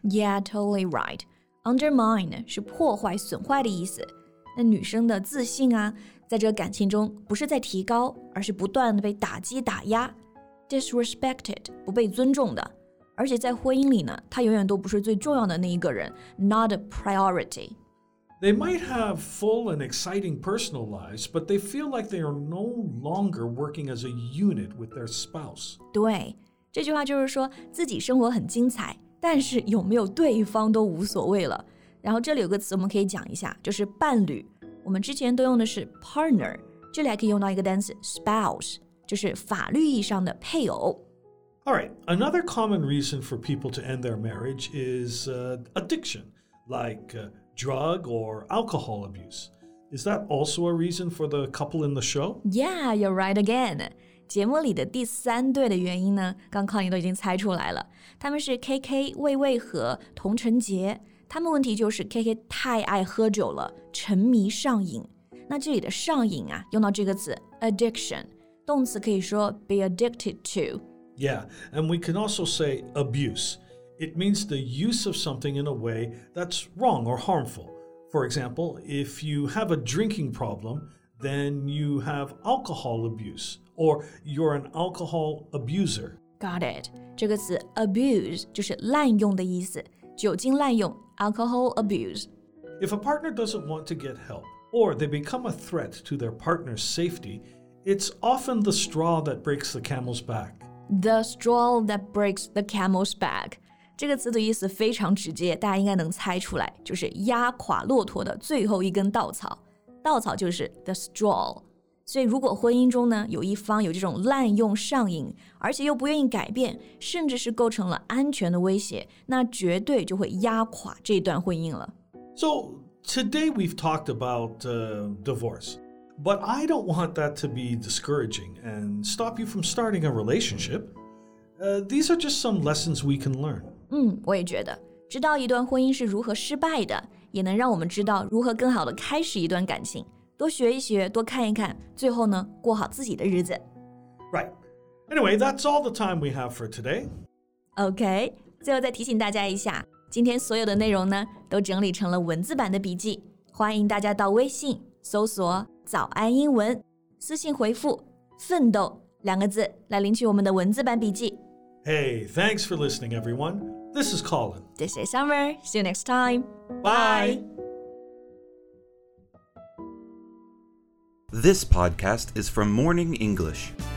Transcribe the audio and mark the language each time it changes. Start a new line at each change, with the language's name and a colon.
English: Yeah, totally right.
Chinese: Undermine 是破坏、损坏的意思。那女生的自信啊，在这个感情中不是在提高，而是不断被打击、打压。 Disrespected, 不被尊重的。而且在婚姻里呢，他永远都不是最重要的那一个人 ，
English: not a priority. They might have full and exciting personal lives, but they feel like they are no longer working as a unit with their spouse.
Chinese: 对，这句话就是说自己生活很精彩，但是有没有对方都无所谓了。然后这里有个词我们可以讲一下，就是伴侣。我们之前都用的是 partner， 这里还可以用到一个单词 spouse， 就是法律意义上的配偶。
English: Alright, another common reason for people to end their marriage is addiction, like drug or alcohol abuse. Is that also a reason for the couple in the show? Yeah, you're right again.
Chinese: 节目里的第三对的原因呢，刚刚你都已经猜出来了。他们是 KK, 魏魏和童晨杰。他们问题就是 KK 太爱喝酒了，沉迷上瘾。那这里的上瘾啊，用到这个词 addiction, 动词可以说 be addicted to.
English: Yeah, and we can also say abuse. It means the use of something in a way that's wrong or harmful. For example, if you have a drinking problem, then you have alcohol abuse, or you're an alcohol abuser. Got it.
Chinese: 这个词 abuse 就是滥用的意思，酒精滥用 alcohol abuse.
English: If a partner doesn't want to get help, or they become a threat to their partner's safety, It's often the straw that breaks the camel's back. The straw that breaks the camel's back.
Chinese: 这个词的意思非常直接，大家应该能猜出来，就是压垮骆驼的最后一根稻草。稻草就是 the straw。所以如果婚姻中呢，有一方有这种滥用上瘾，而且又不愿意改变，甚至是构成了安全的威胁，那绝对就会压垮这段婚姻了。
English: So, today we've talked about divorce, but I don't want that to be discouraging and stop you from starting a relationship. These are just some lessons we can learn.
Chinese: 我也觉得，知道一段婚姻是如何失败的，也能让我们知道如何更好地开始一段感情。多学一学，多看一看，最后呢，过好自己的日子。
English: Right. Anyway, that's all the time we have for today. Okay.
Chinese: 最后再提醒大家一下，今天所有的内容呢，都整理成了文字版的笔记。欢迎大家到微信搜索“早安英文”，私信回复“奋斗”两个字来领取我们的文字版笔记。
English: Hey, thanks for listening, everyone. This is Colin. This is Summer. See you next time. Bye. This podcast is from Morning English.